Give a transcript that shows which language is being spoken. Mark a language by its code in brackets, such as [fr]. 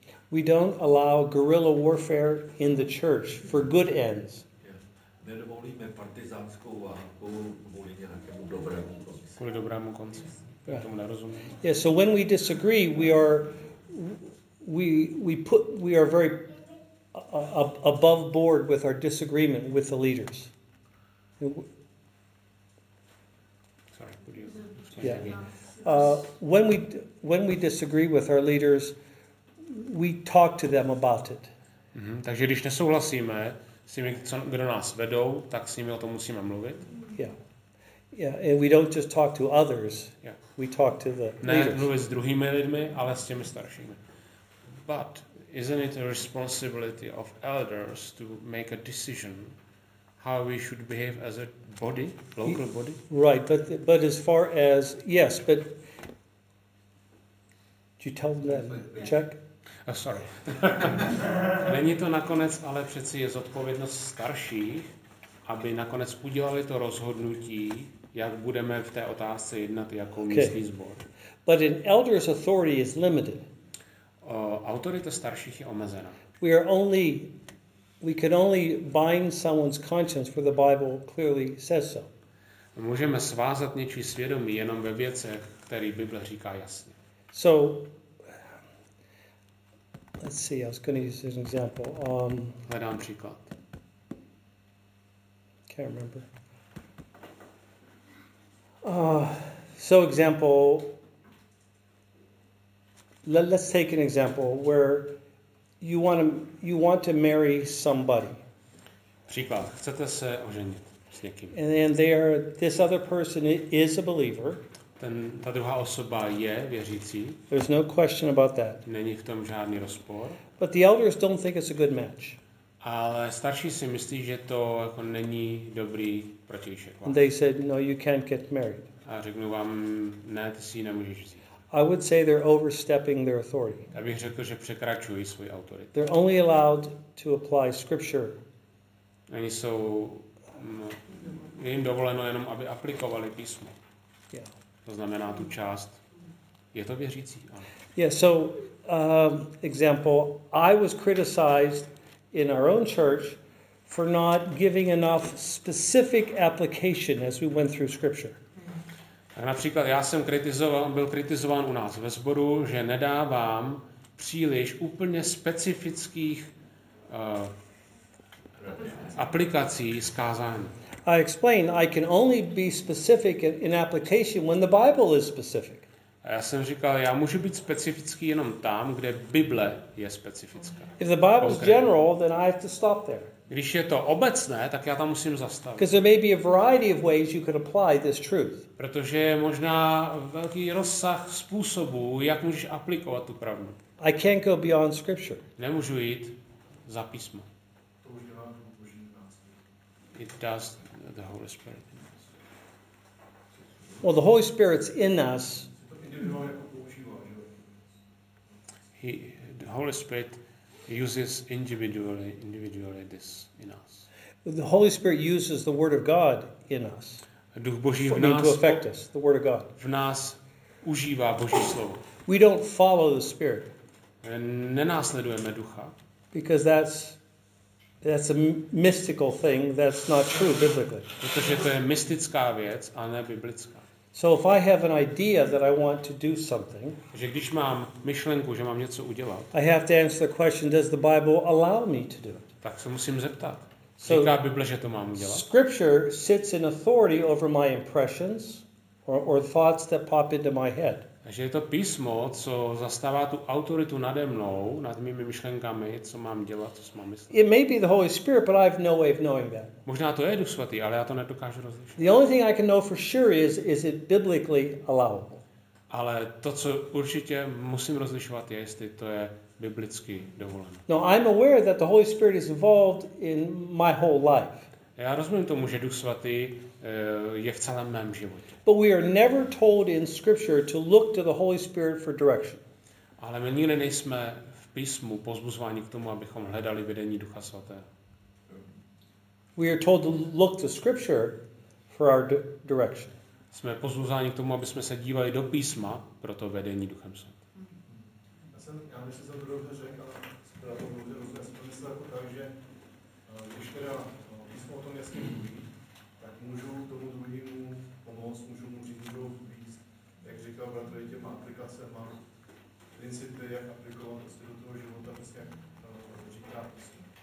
[en] We don't allow guerrilla warfare in the church for good ends. [cs] Nedovolíme partizánskou válku kvůli nějakému dobrému konci. Kvůli dobrému konci. [en] Yeah. [cs] Tomu nerozumím. [en] Yeah, so when we disagree, we are very above board with our disagreement with the leaders. When we disagree with our leaders, we talk to them about it. Mm-hmm. [cs] Takže když nesouhlasíme s tím, kdo nás vedou, tak s nimi o tom musíme mluvit. [en] Yeah. And we don't just talk to others. Yeah. We talk to the [cs] ne, [en] leaders. [cs] Ne, mluvit s druhými lidmi, ale s těmi staršími. [en] But isn't it a responsibility of elders to make a decision? How we should behave as a body, local body? Right, but as far as yes, but do you tell them that? Check. Oh, sorry. [cs] Není to nakonec, ale přeci je zodpovědnost starších, aby nakonec udělali to rozhodnutí, jak budeme v té otázce jednat jako místní sbor. [en] But an elder's authority is limited. [cs] Autorita starších je omezená. [en] We can only bind someone's conscience where the Bible clearly says so. [cs] Můžeme svázat něčí svědomí jenom ve věcech, které Bible říká jasně. [en] So, let's see, I was going to use an example. [cs] Hledám příklad. [en] Can't remember. So, example, let's take an example where You want to marry somebody. [cs] Příklad, chcete se oženit s někým. [en] And then this other person is a believer. [cs] Ta druhá osoba je věřící. [en] There's no question about that. [cs] Není v tom žádný rozpor. [en] But the elders don't think it's a good match. [cs] Ale starší si myslí, že to jako není dobrý protějšek. [en] And they said, no, you can't get married. [cs] A řeknu vám, ne, ty si ji nemůžeš vzít. [en] I would say they're overstepping their authority. [cs] Já bych řekl, že překračují svou autoritu. [en] They're only allowed to apply scripture. [cs] Oni jsou jim dovoleno jenom, aby aplikovali písmo. [en] Yeah. [cs] To znamená tu část. Je to věřící? Ano. [en] Yeah, so example, I was criticized in our own church for not giving enough specific application as we went through scripture. [cs] Například já jsem byl kritizován u nás ve sboru, že nedávám příliš úplně specifických aplikací z kázání. [en] I explain, I can only be specific in application when the Bible is specific. [cs] A já jsem říkal, já můžu být specifický jenom tam, kde Bible je specifická. [en] If the Bible is general, then I have to stop there. [cs] Když je to obecné, tak já tam musím zastavit. [en] Because there may be a variety of ways you could apply this truth. [cs] Protože je možná velký rozsah způsobů, jak můžeš aplikovat tu pravdu. [en] I can't go beyond scripture. [cs] Nemůžu jít za písmo. To už dělám Boží nástroj. [en] It does the Holy Spirit. Well, the Holy Spirit's in us. The Holy Spirit uses individually this in us. The Holy Spirit uses the Word of God in us. [cs] Duch Boží v nás [en] to affect us, the Word of God. [cs] V nás užívá Boží slovo. [en] We don't follow the Spirit. [cs] Nenásledujeme ducha. [en] Because that's a mystical thing, that's not true biblically. [cs] Protože to je mystická věc a ne biblická. [en] So if I have an idea that I want to do something, [cs] že když mám myšlenku, že mám něco udělat, [en] I have to answer the question, does the Bible allow me to do it? [cs] Tak se musím zeptat. Říká Bible, že to mám udělat. [en] Scripture sits in authority over my impressions or thoughts that pop into my head. [cs] Takže je to písmo, co zastává tu autoritu nade mnou, nad mými myšlenkami, co mám dělat, co mám myslet. [en] It may be the Holy Spirit, but I have no way of knowing that. [cs] Možná to je Duch svatý, ale já to nedokážu rozlišit. [en] The only thing I can know for sure is it biblically allowable. [cs] Ale to, co určitě musím rozlišovat, je, jestli to je biblicky dovoleno. [en] No, I'm aware that the Holy Spirit is involved in my whole life. [cs] Já rozumím tomu, že Duch svatý je v celém mém životě. [en] But we are never told in scripture to look to the Holy Spirit for direction. [cs] Ale my nikdy nejsme v písmu pozbuzováni k tomu, abychom hledali vedení Ducha svatého. [en] We are told to look to scripture for our direction. [cs] Jsme pozbuzováni k tomu, aby jsme se dívali do písma pro to vedení Duchem svatým. Já myslím, že to dobře řekl, ale myslel jsem, že když teda o tom jasně mluví, tak můžu tomu druhému pomoct, můžu mu říct, můžu vpíst, jak říkal bratr, je těma aplikacema, principy, jak aplikovat prostě do toho života, prostě jak říká prostě.